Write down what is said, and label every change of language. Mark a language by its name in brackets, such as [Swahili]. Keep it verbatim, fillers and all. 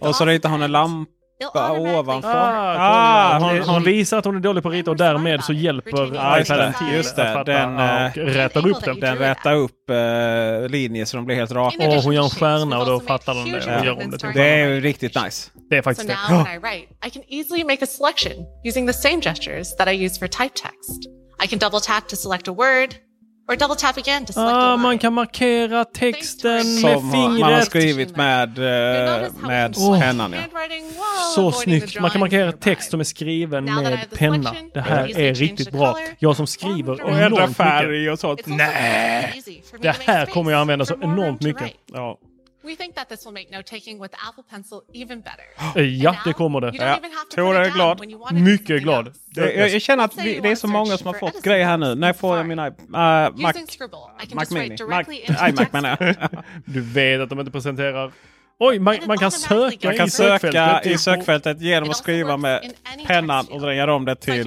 [Swedish] Och så ritar hon en lampa. Ovanför. Ah, ah, hon, hon visar att hon är dålig på att rita och därmed så hjälper ah, iPaden till just det, att den äh, rätar upp dem. Den rätar upp äh, linjer så de blir helt raka. Och hon gör en stjärna och då fattar hon det. Ja. Gör hon det, det är ju riktigt nice. Det är faktiskt det. [English] I can easily make a selection using the same gestures that I use for typed text. I can double tap to select a word. Or double tap again to select [Swedish] ah, a man kan markera texten som med fingret. Man har skrivit med, med oh. pennan. Ja. Så snyggt. Man kan markera text som är skriven med penna. Det här är riktigt bra. Jag som skriver och ändrar färg och sånt. Nej. Det här kommer jag använda så enormt mycket. Ja. [English] We think that this will make note-taking with Apple Pencil even better. [Swedish] Ja, det kommer det. Ja. Tor är glad. Mycket glad. Jag, jag känner att vi, det är så många som har fått grejer här nu. När får jag min uh, Mac? Mac Mini. Mac, iMac menar jag. Du vet att de inte presenterar... Oj, man, man kan söka man kan i sökfältet, i sökfältet genom att skriva med pennan och dränga om det till.